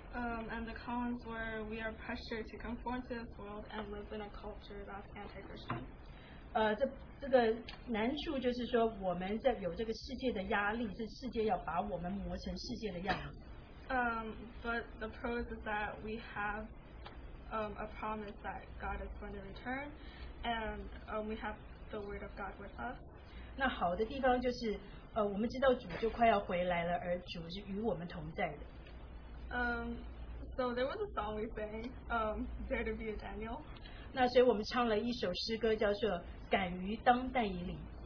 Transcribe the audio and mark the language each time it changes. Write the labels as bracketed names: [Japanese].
[English] And the cons were we are pressured to conform to this world and live in a culture that's anti-Christian. [Chinese] 这个难处就是说我们在有这个世界的压力，这世界要把我们磨成世界的样子。 [English] But the pros is that we have a promise that God is going to return, and we have the word of God with us. [Chinese] 那好的地方就是我们知道主就快要回来了，而主是与我们同在的。 [English] So there was a song we sang, Dare to be a Daniel. [Chinese] 那所以我们唱了一首诗歌叫做敢于当但以理。